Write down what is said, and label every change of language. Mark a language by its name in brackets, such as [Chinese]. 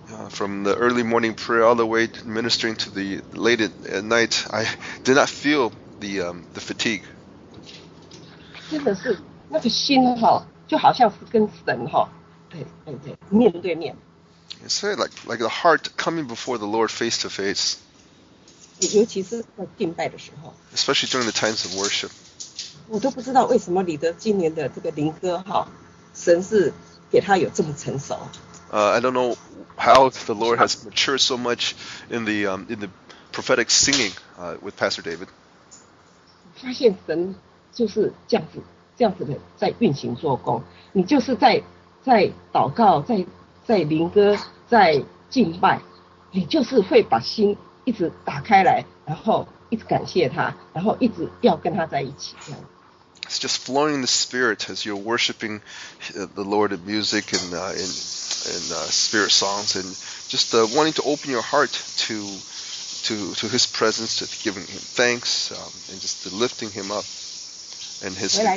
[English] From the early morning prayer all the way to ministering to the late at night, I did not feel the fatigue. [Chinese] 真的是那个心哈。就好像是跟神哈，对，面对面。 [English] It's like the heart coming before the Lord face to face. [Chinese] 尤其是在敬拜的时候。 [English] Especially during the times of worship. [Chinese] 我都不知道为什么李德今年的这个灵歌哈，神是给他有这么成熟。 [English] I don't know how the Lord has matured so much in the prophetic singing with Pastor David. [Chinese] 发现神就是这样子。这样子的在运行做工，你就是在祷告，在灵歌，在敬拜，你就是会把心一直打开来，然后一直感谢他，然后一直要跟他在一起。这样。 [English] It's just flowing the spirit as you're worshiping the Lord in music and spirit songs and just wanting to open your heart to His presence, to giving Him thanks and just lifting Him up. And his.